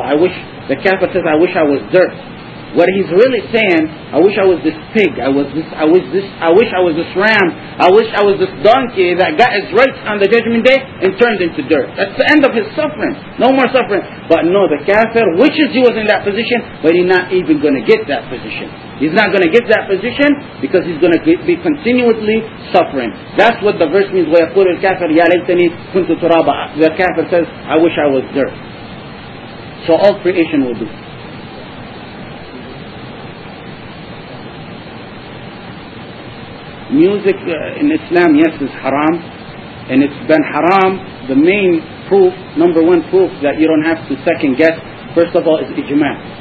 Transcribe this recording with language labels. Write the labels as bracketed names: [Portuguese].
[English] I wish, the kafir says, I wish I was dirt. What he's really saying, I wish I was this pig, I wish I was this ram, I wish I was this donkey that got his rights on the judgment day and turned into dirt. That's the end of his suffering. No more suffering. But no, the kafir wishes he was in that position, but he's not even going to get that position. He's not going to get that position because he's going to be continually suffering. That's what the verse means, [Arabic] وَيَقُولُ الْكَافِرُ يَا لَيْتَنِي كُنْتُ تُرَابًا. [English] The kafir says, I wish I was dirt. So all creation will do. Music in Islam, yes, is haram. And it's been haram. The main proof, number one proof that you don't have to second guess, first of all, is ijma'.